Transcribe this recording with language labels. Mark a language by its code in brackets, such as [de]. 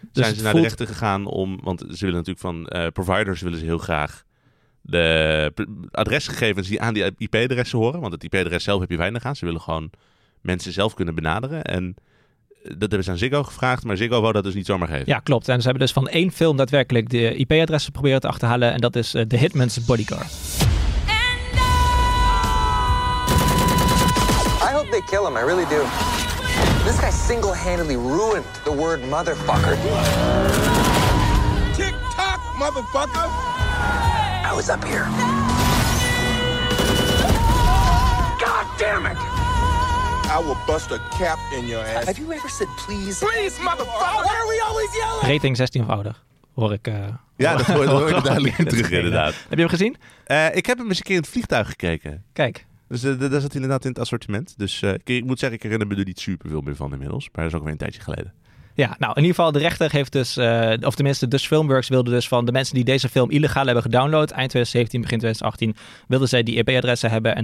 [nl] Nu zijn dus ze naar de rechter gegaan om, want ze willen natuurlijk van providers willen ze heel graag de adresgegevens die aan die IP-adressen horen. Want het IP-adres zelf heb je weinig aan. Ze willen gewoon mensen zelf kunnen benaderen en... Dat hebben ze aan Ziggo gevraagd, maar Ziggo wou dat dus niet zomaar geven. Ja, klopt. En ze hebben dus van één film daadwerkelijk de IP-adressen proberen te achterhalen. En dat is The Hitman's Bodyguard. [en] And I hope they kill him, I really do. This guy single-handedly ruined the word motherfucker. Tick-tock, motherfucker! I was up here. God damn it! I will bust a cap in your ass. Have you ever said please? Please, motherfucker! Why are we always yelling? [nl] Rating 16 of ouder, hoor ik. Dat hoor je duidelijk terug, inderdaad. Heb je hem gezien? Ik heb hem eens een keer in het vliegtuig gekeken. Kijk. Dus daar zat hij inderdaad in het assortiment. Dus ik moet zeggen, ik herinner me er niet super veel meer van inmiddels. Maar dat is ook weer een tijdje geleden. Ja, nou, in ieder geval, de rechter heeft dus, of tenminste, dus Filmworks wilde dus van de mensen die deze film illegaal hebben gedownload, eind 2017, begin 2018, wilden zij die IP-adressen hebben.